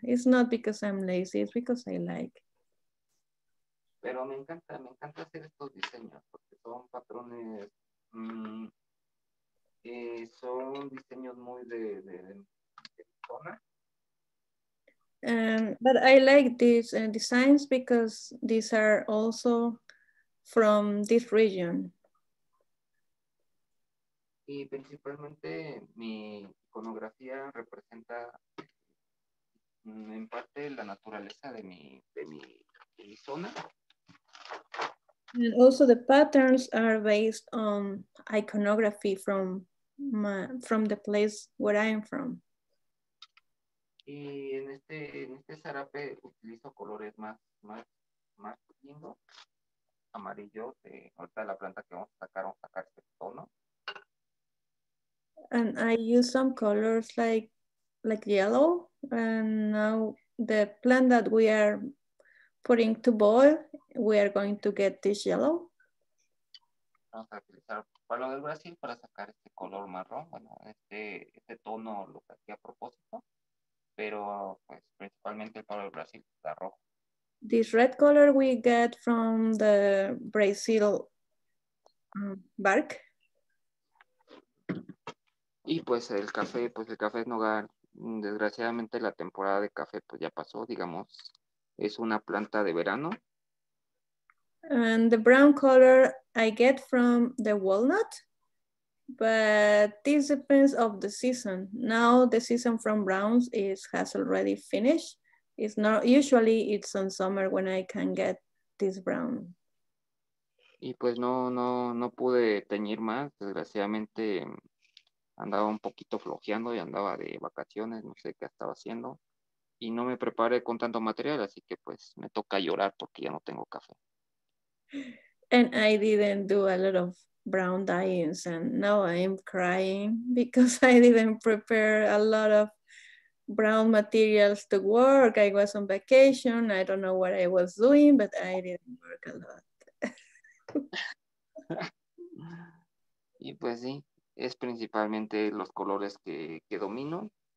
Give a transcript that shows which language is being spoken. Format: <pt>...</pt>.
<en>It's not because I'm lazy, it's because I like.</en> <es>Pero me encanta hacer estos diseños, porque son patrones, son diseños muy de zona.</es> <en>But I like these designs because these are also from this region.</en> <es>Y principalmente mi iconografía representa en parte la naturaleza de mi zona.</es> <en>And also the patterns are based on iconography from the place where I am from.</en> <es>Y en este zarape utilizo colores más lindos, amarillos. Ahorita la planta que vamos a sacar este tono.</es> <en>And I use some colors like yellow. And now the plant that we are putting to boil, we are going to get this yellow.</en> <es>Vamos a utilizar palo del Brasil para sacar este color marrón, bueno, este tono lo que hacía a propósito, pero pues principalmente el palo del Brasil está rojo.</es> <en>This red color we get from the Brazil bark.</en> <es>Y pues el café en hogar, desgraciadamente la temporada de café pues ya pasó, digamos, es una planta de verano.</es> <en>And the brown color I get from the walnut, but this depends of the season. Now the season from browns has already finished. It's not usually it's on summer when I can get this brown.</en> <es>Y pues no pude teñir más, desgraciadamente andaba un poquito flojeando y andaba de vacaciones, no sé qué estaba haciendo y no me preparé con tanto material, así que pues me toca llorar porque ya no tengo café.</es> <en>And I didn't do a lot of brown dyes, and now I'm crying because I didn't prepare a lot of brown materials to work. I was on vacation. I don't know what I was doing, but I didn't work a lot.</en> <es>Y pues sí, es principalmente los colores que domino.</es>